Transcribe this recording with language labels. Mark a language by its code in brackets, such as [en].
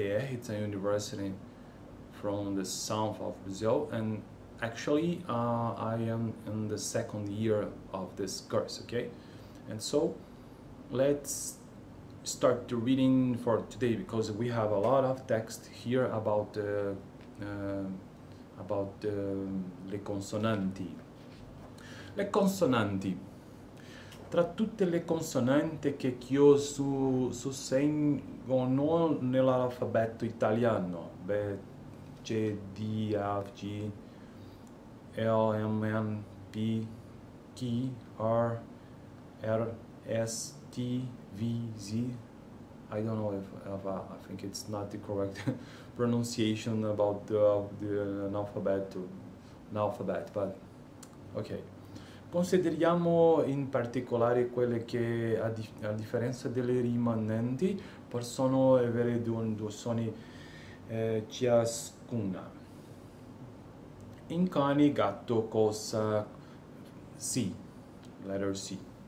[en] It's a university from the south of Brazil, and actually I am in the second year of this course, okay? And so let's start the reading for today, because we have a lot of text here about le consonanti. [it] Le consonanti. Tra tutte le consonanti che io susseguono nell'alfabeto italiano, B, C, D, F, G, L, M, N, P, Q, R, R, S, T, V, Z. [en] I don't know if I think it's not the correct pronunciation about the alphabet, but okay. [it] Consideriamo in particolare quelle che, a differenza delle rimanenti, possono avere due suoni ciascuna. In cani, gatto, cosa, C, letter C.